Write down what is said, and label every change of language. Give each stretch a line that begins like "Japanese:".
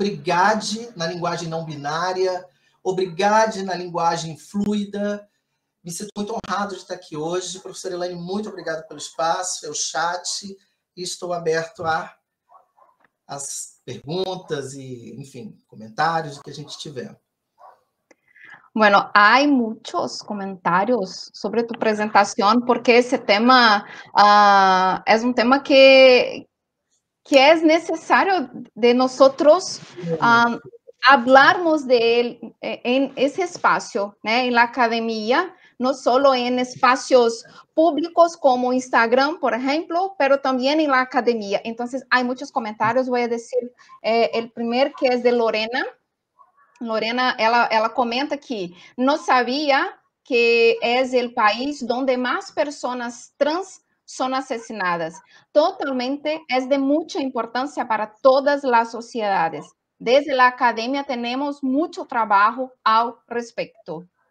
Portuguese: Obrigade na linguagem não binária, obrigade na linguagem fluida. Me sinto muito honrado de estar aqui hoje. Professora Elaine, muito obrigado pelo espaço, é o chat. E estou aberto às perguntas e, enfim, comentários que a gente tiver.
Spanish: Bueno, hay muchos comentarios sobre tu presentación, porque ese tema es un tema que es necesario de nosotros hablarnos de él en ese espacio, ¿no? En la academia, no solo en espacios públicos como Instagram, por ejemplo, pero también en la academia. Entonces, hay muchos comentarios. Voy a decir el primer, que es de Lorena.
Portuguese: Lorena, ela comenta que não sabia que é o país onde mais pessoas trans são assassinadas. Totalmente é de muita importância para todas as sociedades. Desde a academia temos muito trabalho ao respeito.